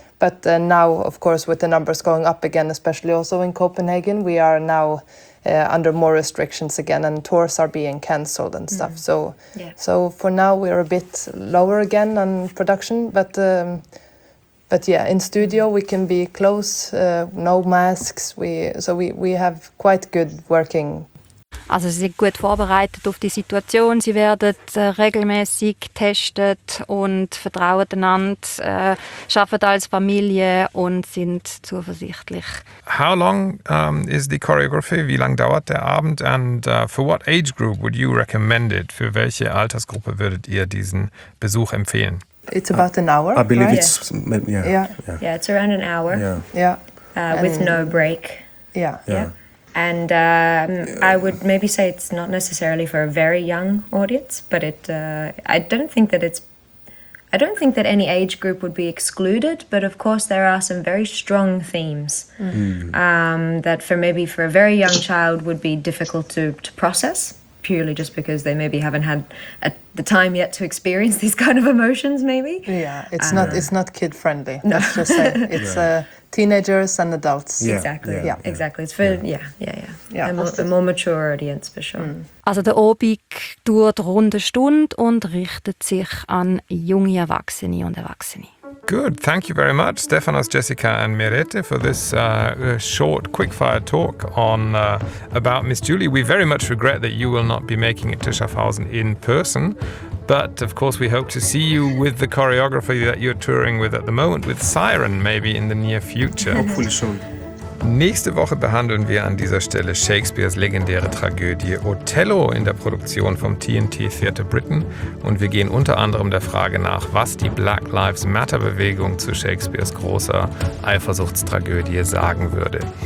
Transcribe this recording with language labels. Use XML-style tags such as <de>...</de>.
<en>But now, of course, with the numbers going up again, especially also in Copenhagen, we are now under more restrictions again, and tours are being cancelled and stuff. Mm. So for now, we're a bit lower again on production. But yeah, in studio, we can be close, no masks. So we have quite good working.</en> <de>Also sie sind gut vorbereitet auf die Situation, sie werden regelmäßig getestet und vertrauen einander, arbeiten als Familie und sind zuversichtlich.</de> <en>How long is the choreography?</en> <de>Wie lang dauert der Abend?</de> <en>And for what age group would you recommend it?</en> <de>Für welche Altersgruppe würdet ihr diesen Besuch empfehlen?</de> <en>It's about an hour. I believe, right? It's yeah, it's around an hour. Yeah. With no break. Yeah. And I would maybe say it's not necessarily for a very young audience, but I don't think that any age group would be excluded, but of course there are some very strong themes that for a very young child would be difficult to process, purely just because they maybe haven't had the time yet to experience these kind of emotions, maybe. Yeah, it's not kid friendly. No. Let's just say it's teenagers and adults. Yeah, exactly. It's for a more mature audience for sure. Mm.</en> <de>Also der Obig dauert rund eine Stunde und richtet sich an junge Erwachsene und Erwachsene.</de> <en>Good, thank you very much, Stefanos, Jessica and Merete, for this short quickfire talk on about Miss Julie. We very much regret that you will not be making it to Schaffhausen in person, but of course we hope to see you with the choreography that you're touring with at the moment, with Siren maybe in the near future. Hopefully soon.</en> <de>Nächste Woche behandeln wir an dieser Stelle Shakespeares legendäre Tragödie Othello in der Produktion vom TNT Theatre Britain und wir gehen unter anderem der Frage nach, was die Black Lives Matter Bewegung zu Shakespeares großer Eifersuchtstragödie sagen würde.</de>